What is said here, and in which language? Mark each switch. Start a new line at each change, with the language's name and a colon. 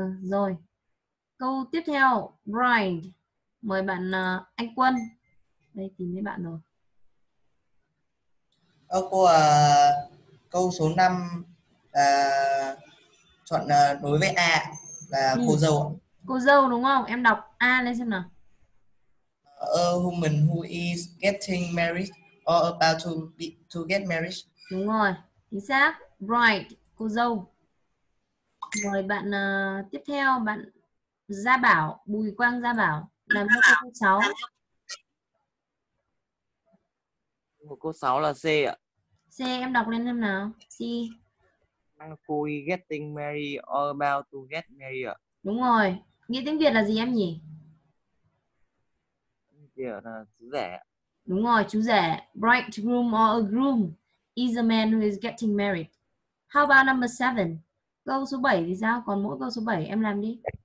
Vietnamese: Rồi, câu tiếp theo, bride. Mời bạn anh Quân. Đây, tìm thấy bạn rồi. cô câu số 5 chọn đối với A là cô Ừ. dâu. Cô dâu đúng không? Em đọc A lên xem nào.
English: Woman who is getting married or about to
Vietnamese: Đúng rồi, chính xác. Bride, cô dâu. Mời bạn tiếp theo, bạn Gia Bảo, Bùi Quang Gia Bảo, làm cho cô 6. marriage. Cô 6 là C ạ. C, em đọc lên xem nào. C.
English: Who is getting married or about to get married?
Vietnamese: Đúng rồi. Nghĩa tiếng Việt là gì em nhỉ? Việt là chú rể. Đúng rồi, chú rể.
English: Bridegroom or a groom is a man who is getting married.
Vietnamese: How about number 7?
English: Câu số 7 thì sao? Còn mỗi câu số 7 em làm đi.